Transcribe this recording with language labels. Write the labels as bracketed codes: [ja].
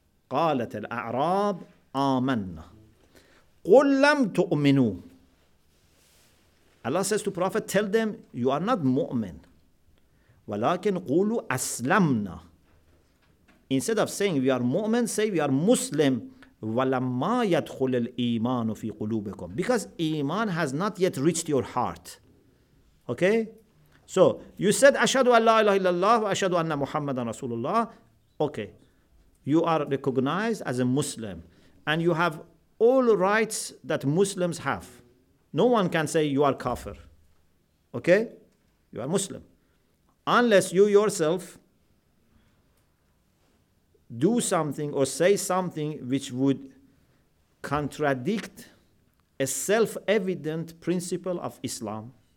[ar] قالت الأعراب آمنا قل لم تؤمنوا. [en] Allah says to Prophet, tell them, you are not mu'min. [ar] ولكن قولوا أسلمنا. [en] Instead of saying we are mu'min, say we are Muslim. [ar] ولما يدخل الإيمان في قلوبكم. [en] Because iman has not yet reached your heart. Okay? So you said, [ar] أشهد أن لا إله إلا الله وأشهد أن محمدا رسول الله. [en] Okay. You are recognized as a Muslim, and you have all rights that Muslims have. No one can say you are kafir. Okay? You are Muslim. Unless you yourself do something or say something which would contradict a self-evident principle of Islam.